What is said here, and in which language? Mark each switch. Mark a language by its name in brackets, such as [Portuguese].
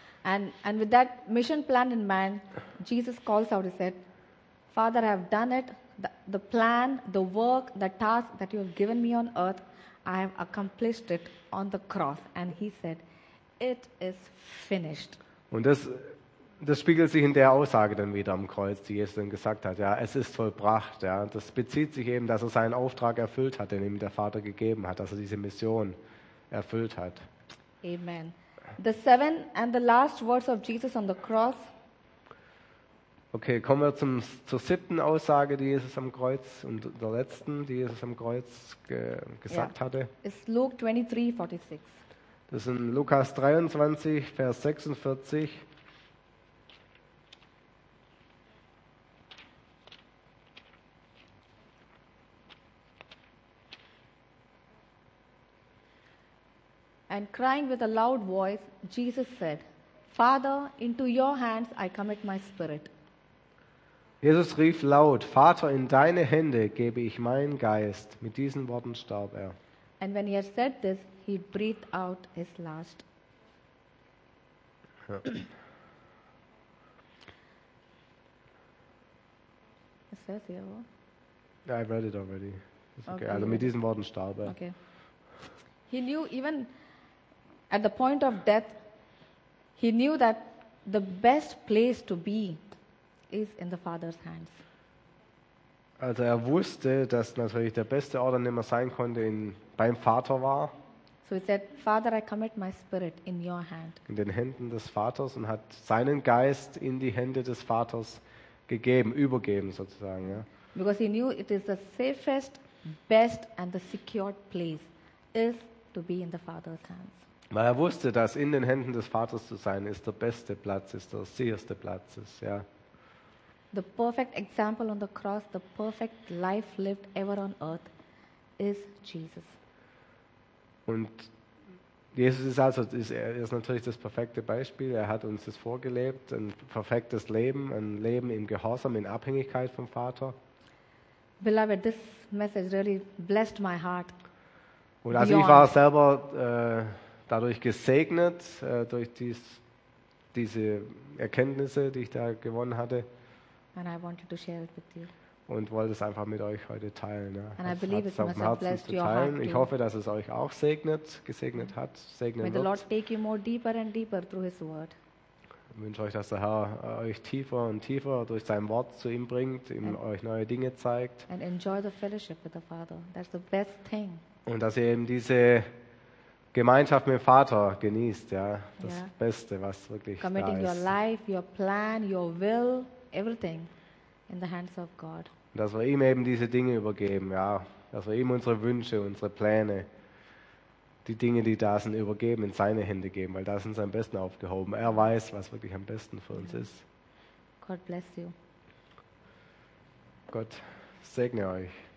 [English] And with that mission plan in mind, Jesus calls out, he said, Father, I have done it. The plan, the work, the task that you have given me on earth, I have accomplished it on the cross. And he said, it is finished. [German] Und das spiegelt sich in der Aussage dann wieder am Kreuz, die Jesus dann gesagt hat, ja, es ist vollbracht. Ja. Das bezieht sich eben, dass er seinen Auftrag erfüllt hat, den ihm der Vater gegeben hat, dass er diese Mission erfüllt hat. [English] Amen. The seven and the last words of Jesus on the cross. [German] Okay, kommen wir zur siebten Aussage, die Jesus am Kreuz, und der letzten, die Jesus am Kreuz gesagt hatte. [English] It's Luke 23:46. [German] Das ist in Lukas 23, Vers 46. [English] And crying with a loud voice, Jesus said, Father, into your hands I commit my spirit. [German] Jesus rief laut, Vater, in deine Hände gebe ich meinen Geist. Mit diesen Worten starb er. [English] And when he had said this, he breathed out his last. Ja. Is this here? Yeah, I read it already. It's okay. [German] Also mit diesen Worten starb er. [English] Okay. He knew even at the point of death, he knew that the best place to be is in the Father's hands. [German] Also er wusste, dass natürlich der beste Ort, an dem er sein konnte, beim Vater war. [English] So he said, Father, I commit my spirit in your hand. [German] In den Händen des Vaters und hat seinen Geist in die Hände des Vaters gegeben, übergeben sozusagen. Ja. [English] Because he knew it is the safest, best and the secured place is to be in the Father's hands. [German] Weil er wusste, dass in den Händen des Vaters zu sein ist der beste Platz, ist der sicherste Platz, ist, ja. [English] The perfect example on the cross, the perfect life lived ever on earth is Jesus. [German] Und Jesus ist also ist natürlich das perfekte Beispiel. Er hat uns das vorgelebt, ein perfektes Leben, ein Leben im Gehorsam, in Abhängigkeit vom Vater. [English] Beloved, this message really blessed my heart. [German] Und also ich war selber dadurch gesegnet durch diese Erkenntnisse, die ich da gewonnen hatte. [English] And I wanted to share it with you. [German] Und wollte es einfach mit euch heute teilen. Ja. [English] And I believe it must have blessed your heart too. [German] Ich hoffe, dass es euch auch gesegnet hat, segnen wird. [English] May the Lord take you more deeper and deeper through His Word. [German] Ich wünsche euch, dass der Herr euch tiefer und tiefer durch sein Wort zu ihm bringt, ihm euch neue Dinge zeigt. [English] And enjoy the fellowship with the Father. That's the best thing. [German] Und dass ihr eben diese Gemeinschaft mit dem Vater genießt, ja. Das Beste, was wirklich da ist. [English] Committing your life, your plan, your will. Everything in the hands of God. [German] Dass wir ihm eben diese Dinge übergeben, ja. Dass wir ihm unsere Wünsche, unsere Pläne, die Dinge, die da sind, übergeben, in seine Hände geben, weil da sind sie am besten aufgehoben. Er weiß, was wirklich am besten für uns ist. [English] God bless you. [German] Gott segne euch.